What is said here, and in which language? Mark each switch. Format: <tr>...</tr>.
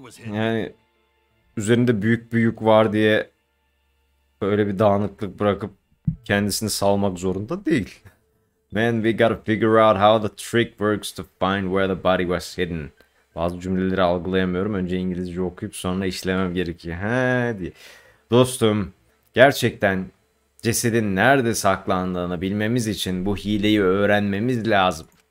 <tr>Yani üzerinde büyük bir yük var diye öyle bir dağınıklık bırakıp kendisini salmak zorunda değil.</tr> <en>Man, we gotta figure out how the trick works to find where the body was hidden.</en> <tr>Bazı cümleleri algılayamıyorum. Önce İngilizce okuyup sonra işlemem gerekiyor. He diye. Dostum, gerçekten cesedin nerede saklandığını bilmemiz için bu hileyi öğrenmemiz lazım.</tr>